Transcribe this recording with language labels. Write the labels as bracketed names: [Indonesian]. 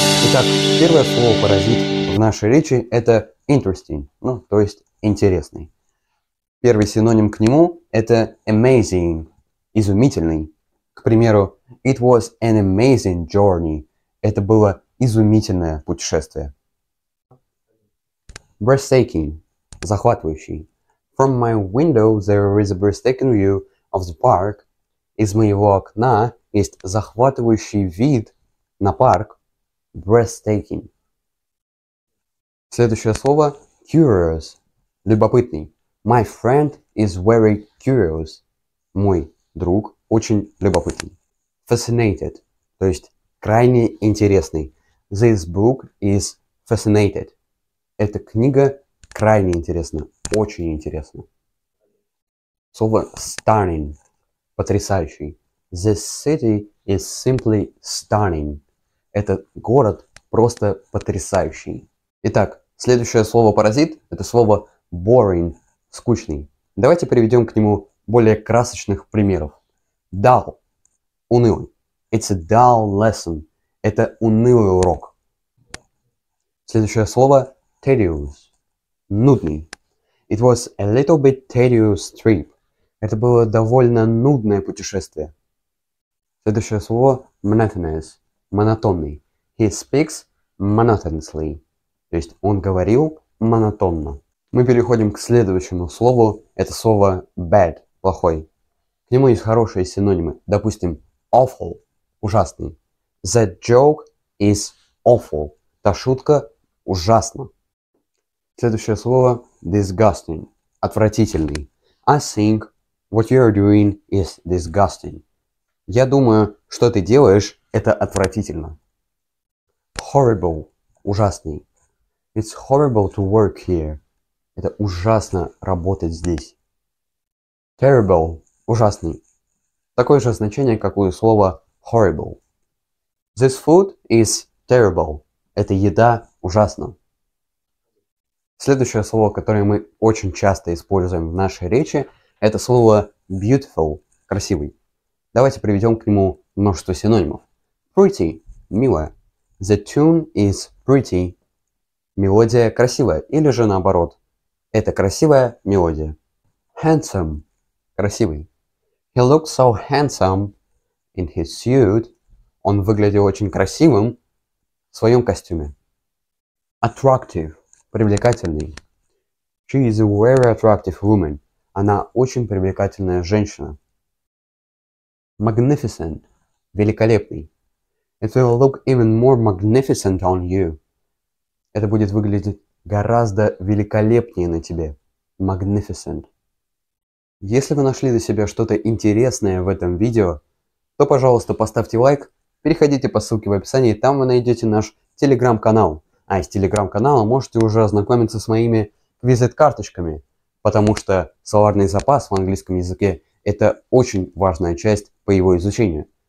[Russian] Итак, первое слово «паразит» в нашей речи – это interesting, ну, то есть интересный. Первый синоним к нему – это amazing, изумительный. К примеру, [English] it was an amazing journey. [Russian] Это было изумительное путешествие. Breathtaking – захватывающий. [English] From my window there is a breathtaking view of the park. [Russian] Из моего окна есть захватывающий вид на парк. [English] Breathtaking. [Russian] Следующее слово – curious. Любопытный. [English] My friend is very curious. [Russian] Мой друг очень любопытный. [English] Fascinated. [Russian] То есть крайне интересный. [English] This book is fascinated. [Russian] Эта книга крайне интересна. Очень интересна. Слово stunning. Потрясающий. [English] This city is simply stunning. [Russian] Этот город просто потрясающий. Итак, следующее слово паразит. Это слово boring, скучный. Давайте приведем к нему более красочных примеров. Dull, унылый. [English] It's a dull lesson. [Russian] Это унылый урок. Следующее слово tedious, нудный. [English] It was a little bit tedious trip. [Russian] Это было довольно нудное путешествие. Следующее слово monotonous, монотонный. [English] He speaks monotonously. [Russian] То есть он говорил монотонно. Мы переходим к следующему слову. Это слово bad, плохой. К нему есть хорошие синонимы. Допустим, awful, ужасный. [English] That joke is awful. [Russian] Та шутка ужасна. Следующее слово disgusting, отвратительный. [English] I think what you're doing is disgusting. [Russian] Я думаю, что ты делаешь, это отвратительно. Horrible, ужасный. [English] It's horrible to work here. [Russian] Это ужасно работать здесь. Terrible – ужасный. Такое же значение, как у слова horrible. [English] This food is terrible. [Russian] Эта еда ужасна. Следующее слово, которое мы очень часто используем в нашей речи, это слово beautiful – красивый. Давайте приведем к нему множество синонимов. Pretty – милая. [English] The tune is pretty. [Russian] Мелодия красивая, или же наоборот. Это красивая мелодия. Handsome. Красивый. [English] He looked so handsome in his suit. [Russian] Он выглядел очень красивым в своем костюме. Attractive. Привлекательный. [English] She is a very attractive woman. [Russian] Она очень привлекательная женщина. Magnificent. Великолепный. [English] It will look even more magnificent on you. [Russian] Это будет выглядеть гораздо великолепнее на тебе. [English] Magnificent. [Russian] Если вы нашли для себя что-то интересное в этом видео, то, пожалуйста, поставьте лайк, переходите по ссылке в описании, там вы найдете наш телеграм-канал. А из телеграм-канала можете уже ознакомиться с моими визит-карточками, потому что словарный запас в английском языке – это очень важная часть по его изучению.